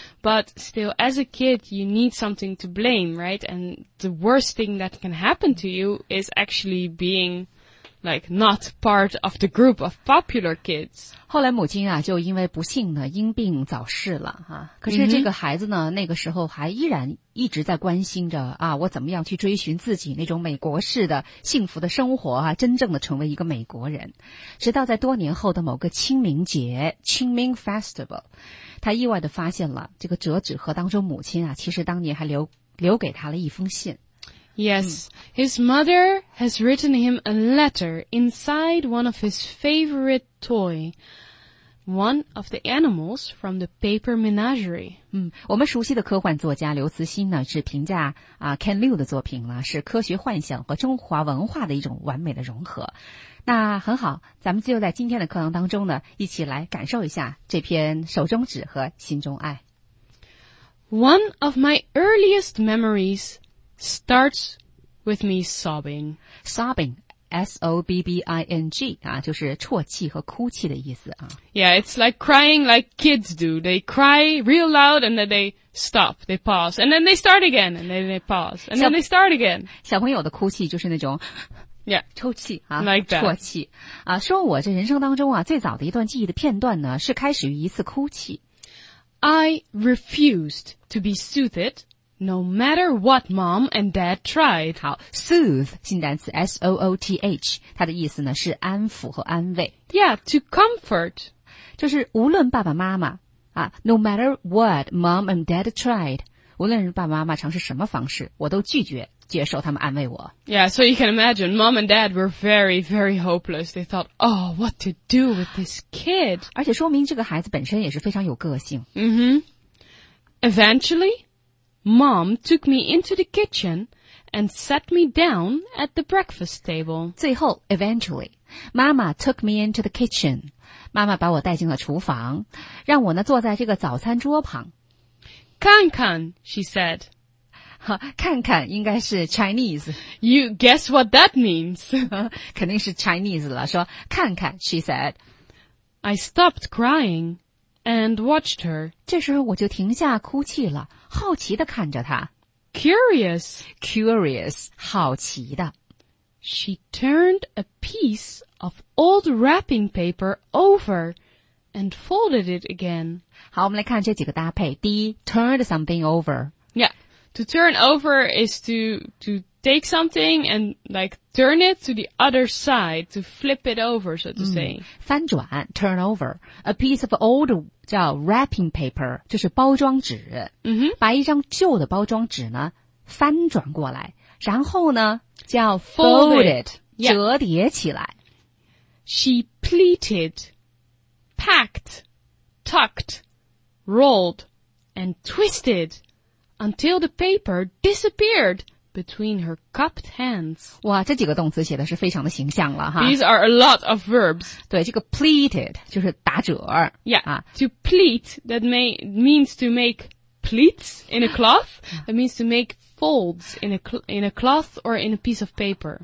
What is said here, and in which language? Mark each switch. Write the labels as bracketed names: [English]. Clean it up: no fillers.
[English] But still, as a kid, you need something to blame, right? And the worst thing that can happen to you is actually being... Like, not part of the group of popular kids. [Chinese] 后来母亲啊，就因为不幸呢，因病早逝了啊。可是这个孩子呢，那个时候还依然一直在关心着啊，我怎么样去追寻自己那种美国式的幸福的生活啊，真正的成为一个美国人。直到在多年后的某个清明节，清明 festival, 他意外地发现了这个折纸盒当中母亲啊，其实当年还留给他了一封信。 [English] Yes, his mother has written him a letter inside one of his favorite toy, one of the animals from the paper menagerie. [Chinese] 我们熟悉的科幻作家刘慈欣呢，是评价Ken Liu 的作品呢，是科学幻想和中华文化的一种完美的融合。那很好，咱们就在今天的课堂当中呢，一起来感受一下这篇手中纸和心中爱。 [English] One of my earliest memories... Starts with me sobbing. [Chinese] Sobbing, S-O-B-B-I-N-G, 啊，就是啜泣和哭泣的意思啊。 [English] Yeah, it's like crying like kids do. They cry real loud and then they stop, they pause, and then they start again, and then they pause, and then they start again. [Chinese] 小朋友的哭泣就是那种 [English] Yeah, [Chinese] 抽泣啊 [English] ，like that. [Chinese] 啜泣啊。说我这人生当中啊，最早的一段记忆的片段呢，是开始于一次哭泣。 [English] I refused to be soothed. No matter what mom and dad tried. [Chinese] 好 ,soothe, 新单词 S-O-O-T-H, 它的意思呢是安抚和安慰。 [English] Yeah, to comfort. [Chinese] 就是无论爸爸妈妈啊 , [English] no matter what mom and dad tried, [Chinese] 无论爸爸妈妈尝试什么方式我都拒绝接受他们安慰我。 [English] Yeah, so you can imagine, mom and dad were very, very hopeless. They thought, oh, what to do with this kid? [Chinese] 而且说明这个孩子本身也是非常有个性。 Mm-hmm. [English] Eventually,Mom took me into the kitchen and sat me down at the breakfast table. [Chinese] 最后 eventually, Mama took me into the kitchen. 妈妈把我带进了厨房，让我呢坐在这个早餐桌旁。 [English] 看看 she said. [Chinese] 看看应该是 Chinese. [English] You guess what that means? [Chinese] 肯定是 Chinese 了，说看看 [English] she said. I stopped crying. And watched her. [Chinese] 这时候我就停下哭泣了，好奇地看着她。 [English] Curious. [Chinese] Curious. 好奇的。 [English] She turned a piece of old wrapping paper over and folded it again. [Chinese] 好，我们来看这几个搭配。第一 ,turned something over. [English] Yeah. To turn over is to take something and like turn it to the other side, to flip it over, so to say. [Chinese] 翻转 ,turn over. [English] A piece of old... [Chinese] 叫 wrapping paper, 就是包装纸、 mm-hmm. 把一张旧的包装纸呢翻转过来然后呢叫 [English] fold it、yeah. [Chinese] 折叠起来 [English] She pleated, packed, tucked, rolled, and twisted until the paper disappeared between her cupped hands [Chinese] 哇这几个动词写的是非常的形象了哈 [English] These are a lot of verbs [Chinese] 对这个 pleated 就是打褶 [English] Yeah,、啊、 to pleat that means to make pleats in a cloth that means to make folds in a cloth or in a piece of paper.